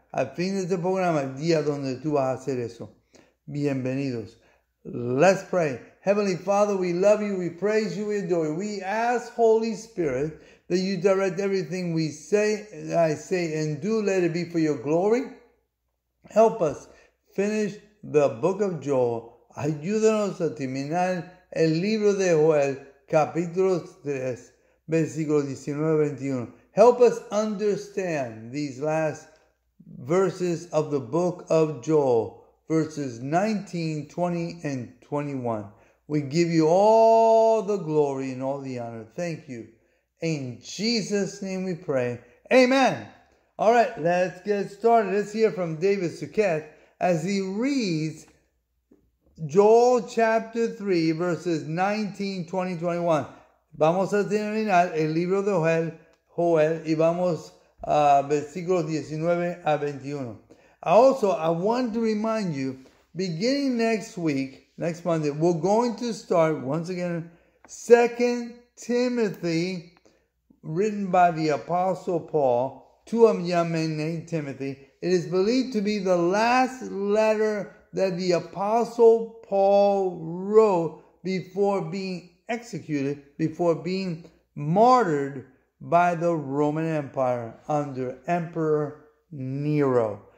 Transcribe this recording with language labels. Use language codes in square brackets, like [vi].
[es] Al fin de este programa, el día donde tú vas a hacer eso. Bienvenidos. [en] Let's pray. Heavenly Father, we love you, we praise you, we adore you. We ask, Holy Spirit, that you direct everything we say, I say, and do. Let it be for your glory. Help us finish the book of Joel. [es] Ayúdanos a terminar el libro de Joel, capítulo 3, versículo 19-21. [en] Help us understand these last verses of the book of Joel, verses 19, 20, and 21. We give you all the glory and all the honor. Thank you. In Jesus' name we pray. Amen. All right, let's get started. Let's hear from David Suquet as he reads Joel chapter 3, verses 19, 20, 21. [es] Vamos a terminar el libro de Joel y vamos a versículos 19 a 21. [en] Also, I want to remind you, beginning next week, next Monday, we're going to start, once again, 2 Timothy, written by the Apostle Paul to a young man named Timothy. It is believed to be the last letter that the Apostle Paul wrote before being executed, before being martyred by the Roman Empire under Emperor Nero.